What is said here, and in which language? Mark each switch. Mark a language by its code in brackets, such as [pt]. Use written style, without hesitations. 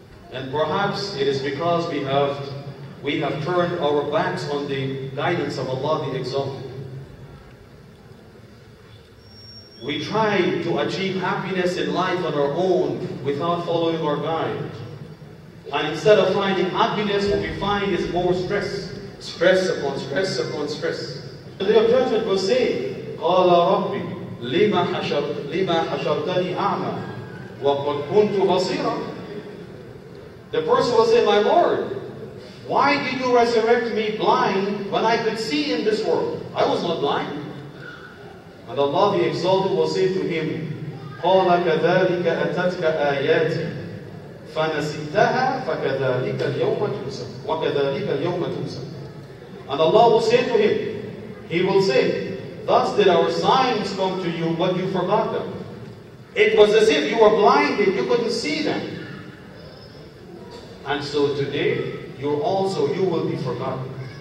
[en] And perhaps it is because we have turned our backs on the guidance of Allah the Exalted. We try to achieve happiness in life on our own without following our guide. And instead of finding happiness, what we find is more stress. Stress upon stress upon stress. The day of judgment will say, [ar] قَالَ رَبِّي لِمَا حَشَرْتَنِي أَعْمَى وَقَدْ كُنْتُ بَصِيرًا. [en] The person will say, my Lord, why did you resurrect me blind when I could see in this world? I was not blind. And Allah the Exalted will say to him, [ar] قَالَ كَذَلِكَ أَتَتْكَ آيَاتِ فَنَسِيتَهَا فَكَذَلِكَ الْيَوْمَ تُنْسَى وَكَذَلِكَ الْيَوْمَ تُنْسَى. [en] And Allah will say to him, he will say, thus did our signs come to you, but you forgot them. It was as if you were blinded, you couldn't see them. And so today, you will be forgotten.